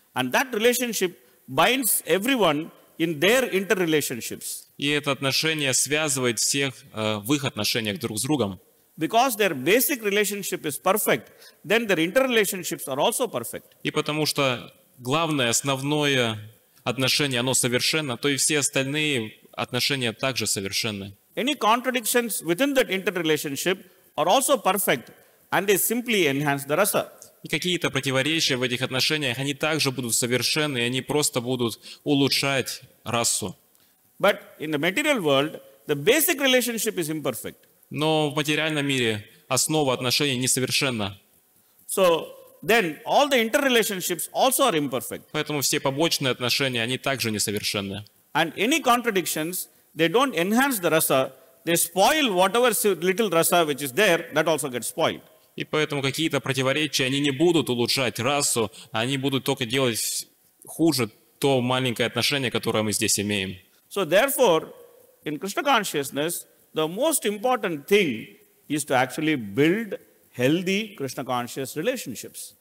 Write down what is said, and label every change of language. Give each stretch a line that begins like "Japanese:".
English: And that relationship binds everyone in their interrelationships.
Russian: И это отношение связывает всех в их отношениях друг с другом.
English: Because their basic relationship is perfect, then their interrelationships are also perfect.
Russian: И потому что главное, основное отношение, оно совершенно, то и все остальные отношения также совершенны.
English: Any contradictions within that interrelationship are also perfect, and they simply enhance the rasa.
Russian: И какие-то противоречия в этих отношениях, они также будут совершенны, и они просто будут улучшать расу.
English: But in the material world, the basic relationship is imperfect.
Russian: Но в материальном мире основа отношений несовершенна.
English: So then all the interrelationships also are imperfect.
Russian: Поэтому все побочные отношения, они также несовершенны.
English: And any contradictions, they don't enhance the rasa, they spoil whatever little rasa which is there, that also gets spoiled.
Russian: И поэтому какие-то противоречия, они не будут улучшать расу, они будут только делать хуже то маленькое отношение, которое мы здесь имеем.
English: So therefore, in Krishna consciousness, the most important thing is to actually build healthy Krishna conscious relationships.